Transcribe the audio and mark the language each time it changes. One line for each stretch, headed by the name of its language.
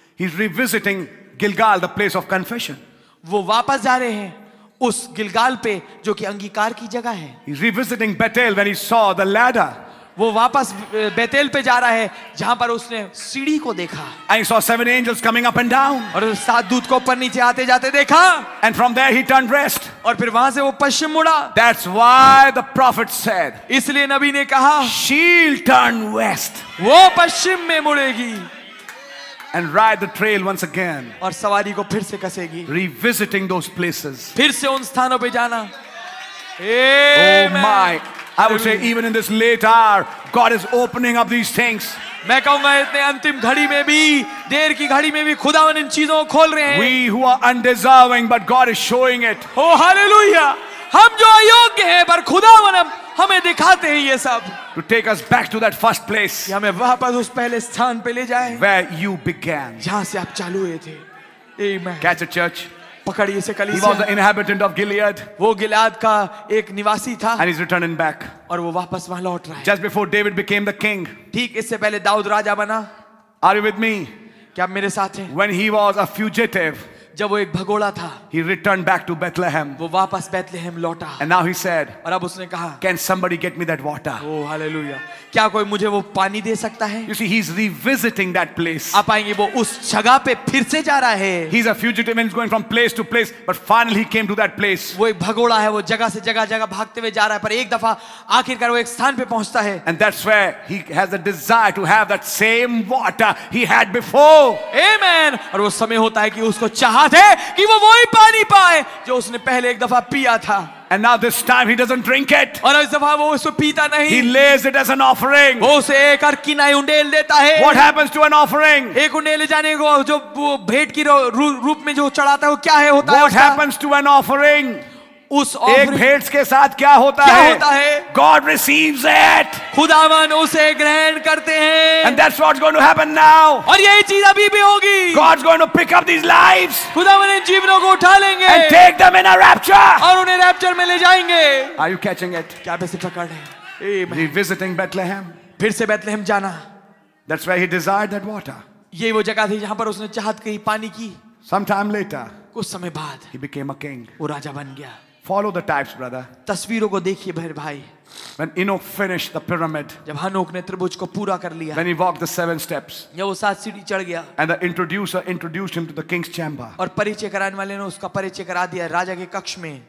English: He's revisiting Gilgal, the place of confession.
Hindi: वो वापस जा रहे हैं उस गिलगाल पे जो कि अंगीकार की जगह है.
English: He's revisiting Bethel when he saw the ladder.
Hindi: वो वापस बेतेल पे जा रहा है जहां पर उसने सीढ़ी को देखा.
English: I saw seven angels coming up and down.
Hindi: और सात दूत को ऊपर नीचे आते जाते देखा.
English: And from there he turned west.
Hindi: और फिर वहां से वो पश्चिम मुड़ा.
English: That's why the prophet said.
Hindi: इसलिए नबी ने कहा.
English: She'll turn west.
Hindi: वो पश्चिम में मुड़ेगी.
English: and ride the trail once again.
Hindi: और सवारी को फिर से कसेगी.
English: Revisiting those places.
Hindi: फिर से उन स्थानों पे जाना.
English: Amen. Oh my. I would say even in this late hour, God is opening up these things.
Hindi: मैं कहूँगा इतने अंतिम घड़ी में भी, देर की घड़ी में भी खुदावन इन चीजों को खोल रहे हैं.
English: We who are undeserving, but God is showing it. Oh hallelujah!
Hindi: हम जो अयोग्य हैं, पर खुदावन हमें दिखाते हैं ये सब.
English: To take us back to that first place.
Hindi: कि हमें वापस उस पहले स्थान पे ले जाएं.
English: Where you began.
Hindi: जहाँ से आप चालू हुए थे. Amen.
English: Catch a church.
Hindi: पकड़िए से कलीसिया.
English: He was the inhabitant of Gilead.
Hindi: वो गिलाद का एक निवासी था.
English: And he's returning back.
Hindi: और वो वापस वहाँ लौट रहा है.
English: Just before David became the king.
Hindi: ठीक इससे पहले दाऊद राजा बना.
English: Are you with me?
Hindi: क्या मेरे साथ हैं?
English: When he was a fugitive.
Hindi: जब वो एक भगोड़ा था.
English: He returned back to Bethlehem.
Hindi: वो वापस बेतलहम लौटा.
English: And now he said.
Hindi: और अब उसने कहा.
English: Can somebody get me that water? Oh hallelujah.
Hindi: क्या कोई मुझे वो पानी दे सकता है?
English: You see, he's revisiting that place.
Hindi: आप आएंगे वो उस जगह पे फिर से जा रहा है.
English: He's a fugitive and he's going from place to place, but finally he came to that place.
Hindi: वो एक भगोड़ा है, वो जगह से जगह जगह भागते हुए जा रहा है, पर एक दफा आखिरकार वो एक स्थान पे पहुंचता है.
English: And that's where he has a desire to have that same water he had before. Amen.
Hindi: और वो समय होता है कि उसको चाहते कि वो वही पानी पाए जो उसने पहले एक दफा पिया था.
English: And now this time he doesn't drink it.
Hindi: और इस दफा वो उसे पीता नहीं.
English: He lays it as an offering.
Hindi: वो उसे एक अर्किनाई उंडेल देता है.
English: What happens to an offering?
Hindi: एक उंडेल जाने को जो भेंट की रूप में जो चढ़ाता है वो क्या है होता है?
English: What happens to an offering?
Hindi: उस एक भेंट के साथ क्या होता है? क्या होता है?
English: God receives it.
Hindi: खुदावन उसे ग्रहण करते हैं.
English: And that's what's going to happen now.
Hindi: और यही चीज अभी भी होगी.
English: God's going to pick up these lives.
Hindi: खुदावन इन जीवनों को उठा लेंगे.
English: And take them in a rapture.
Hindi: और उन्हें रैप्चर में ले जाएंगे.
English: Are you catching it?
Hindi: क्या आप इसे पकड़ रहे हैं?
English: Amen. Revisiting Bethlehem.
Hindi: फिर से बेतलहम जाना.
English: That's where he desired that water.
Hindi: ये वो जगह थी जहाँ पर उसने चाहत कही पानी की.
English: Sometime later.
Hindi: कुछ समय बाद.
English: He became a king.
Hindi: वो राजा बन गया.
English: Follow the types, brother.
Hindi: तस्वीरों को देखिए भाई.
English: When Enoch finished the pyramid.
Hindi: जब हनोक ने त्रिभुज को पूरा कर लिया.
English: When he walked the seven steps.
Hindi: जब वो सात सीढ़ी चढ़ गया.
English: And the introducer introduced him to the king's chamber.
Hindi: और परिचय कराने वाले ने उसका परिचय करा दिया राजा के कक्ष में.